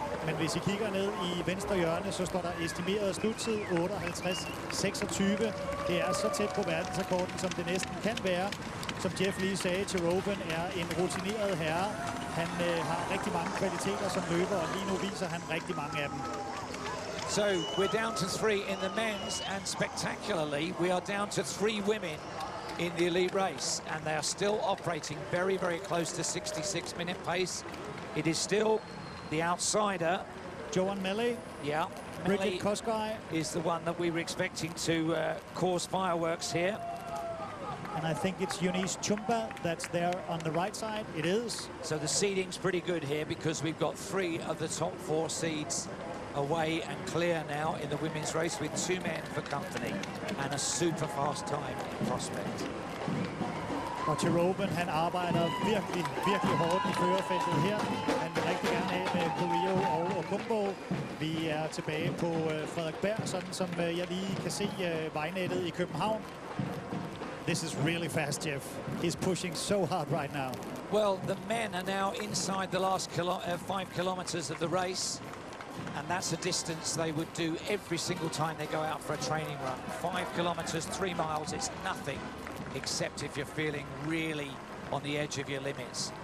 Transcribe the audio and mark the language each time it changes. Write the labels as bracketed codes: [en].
[da] Men hvis I kigger ned i venstre hjørne, så står der estimeret sluttid 58-26. Det er så tæt på verdensrekorden, som det næsten kan være. Som Jeff lige sagde, Tiroben er en rutineret herre. Han har rigtig mange kvaliteter som løber, og lige nu viser han rigtig mange af dem. [en] So we're down to three in the men's, and spectacularly, we are down to three women in the elite race, and they are still operating very, very close to 66-minute pace. It is still the outsider. Joan Melly. Yeah. Bridget Koskaj. Is the one that we were expecting to cause fireworks here. And I think it's Eunice Chumba that's there on the right side. It is. So the seeding's pretty good here because we've got three of the top four seeds away and clear now in the women's race with two men for company and a super fast time prospect. [da] Og Tiroben, han arbejder virkelig, virkelig hårdt i førerfeltet her. Han vil rigtig gerne af med Corio og Okumbo. Vi er tilbage på Frederiksberg, sådan som jeg lige kan se vejnettet i København. [en] This is really fast, Jeff. He's pushing so hard right now. Well, the men are now inside the last 5 kilometers of the race. And that's a distance they would do every single time they go out for a training run. 5 kilometers, 3 miles, it's nothing, except if you're feeling really on the edge of your limits.